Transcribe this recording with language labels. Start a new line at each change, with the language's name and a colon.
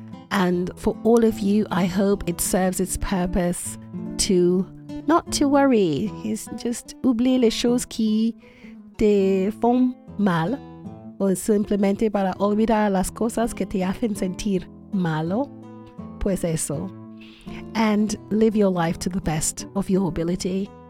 English: And for all of you, I hope it serves its purpose to not to worry. It's just
French: oublier les choses qui te font mal.
Spanish: O simplemente para olvidar las cosas que te hacen sentir malo. Pues eso.
English: And live your life to the best of your ability.